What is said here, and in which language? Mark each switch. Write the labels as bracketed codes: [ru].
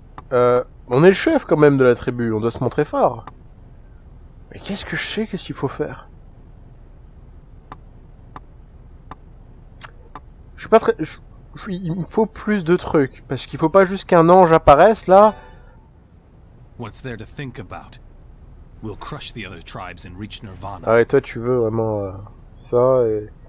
[fr] On est le chef quand même de la tribu, on doit se montrer fort. Mais qu'est-ce que je sais, qu'est-ce qu'il faut faire? Il me faut plus de trucs, parce qu'il faut pas juste qu'un ange apparaisse là. [en] What's there to think about? We'll crush the other tribes and reach Nirvana. [fr] Ah, et toi tu veux vraiment ça et...